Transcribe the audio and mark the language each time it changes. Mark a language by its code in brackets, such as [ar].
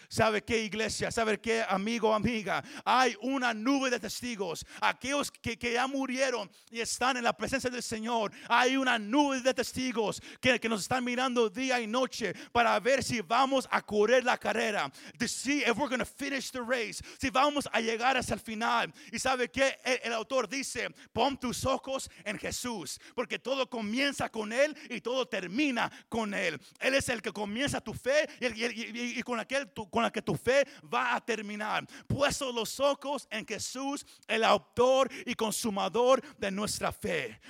[es] ¿Sabe qué, iglesia? ¿Sabe qué, amigo o amiga? Hay una nube de testigos. Aquellos que ya murieron y están en la presencia del Señor, hay una nube de testigos que nos están mirando día y noche para ver si vamos a correr la carrera. [en] To see if we're going to finish the race. [es] Si vamos a llegar hasta el final. ¿Y sabe qué? El autor dice, pon tus ojos en Jesús, porque todo comienza con Él y todo termina con Él. Él es el que comienza tu fe y con aquel con la que tu fe va a terminar. Puesto los ojos en Jesús, el autor y consumador de nuestra fe.